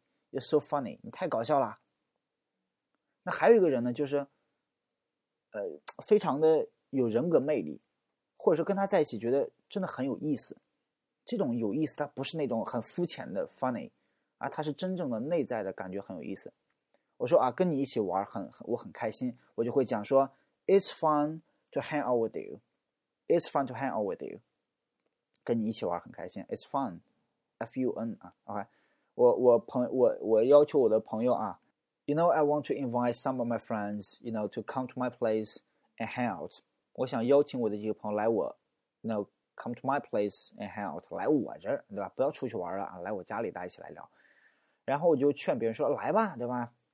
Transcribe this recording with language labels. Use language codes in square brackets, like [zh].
[zh] You're so funny, 你太搞笑了。那还有一个人呢，就是非常的有人格魅力，或者是跟他在一起觉得真的很有意思。这种有意思它不是那种很肤浅的 funny 啊，它是真正的内在的感觉很有意思。我说啊，跟你一起玩我很开心，我就会讲说 It's fun to hang out with you， It's fun to hang out with you， 跟你一起玩很开心。 [en] It's fun， F-U-N、啊 okay、我要求我的朋友啊， You know I want to invite some of my friends You know to come to my place and hang out，我想邀请我的几个朋友来我 you know, come to my place and hang out，来我这儿，对吧？ [zh] 不要出去玩了啊，来我家里大家一起来聊。然后我就劝别人说来吧，对吧？